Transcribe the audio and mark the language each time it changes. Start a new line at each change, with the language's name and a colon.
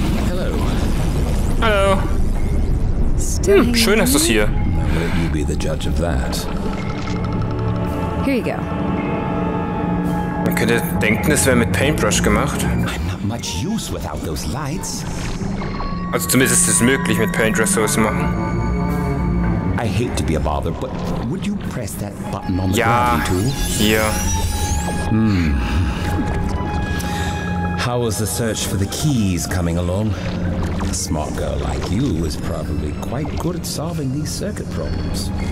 German: Hallo. Hallo. Hm, schön ist es hier.
English: You be the judge of that. Here you go.
German: Man könnte denken, es wäre mit Paintbrush gemacht.
English: I'm not much use without those lights.
German: Also zumindest ist es möglich, mit Paintbrush sowas zu machen.
English: I hate to be a bother, but would you press that button on the ground too?
German: Ja.
English: How is the search for the keys coming along? A smart girl like you is probably quite good at solving these circuit problems.